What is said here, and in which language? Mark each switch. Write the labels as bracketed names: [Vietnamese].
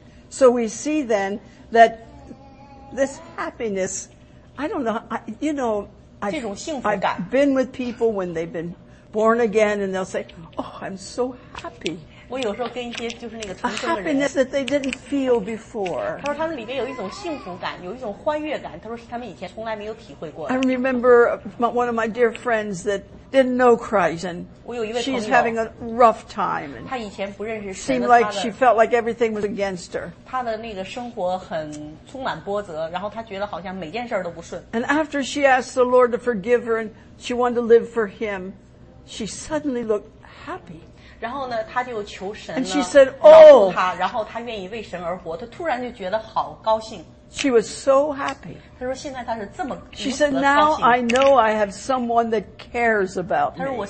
[English] So we see then that this happiness, I don't know, I [Chinese] 这种幸福感。 [English] I've been with people when they've been born again, and they'll say, "Oh, I'm so happy." [Chinese] 我有时候跟一些就是那个重生的人。 [English] A happiness that they didn't feel before. [Chinese] 他说他们里边有一种幸福感，有一种欢悦感。他说是他们以前从来没有体会过的。 [English] I remember one of my dear friends that. Didn't know Christ, and she's having a rough time. And [Chinese] 她以前不认识神的。 [English] Seemed like she felt like everything was against her. [Chinese] 她的那个生活很充满波折，然后她觉得好像每件事都不顺。 [English] And after she asked the Lord to forgive her, and she wanted to live for Him, she suddenly looked happy. [Chinese] 然后呢，她就求神。 [English] And she said, "Oh." [Chinese] 然后她愿意为神而活，她突然就觉得好高兴。 [English] She was so happy. She said, now I know I have someone that cares about me.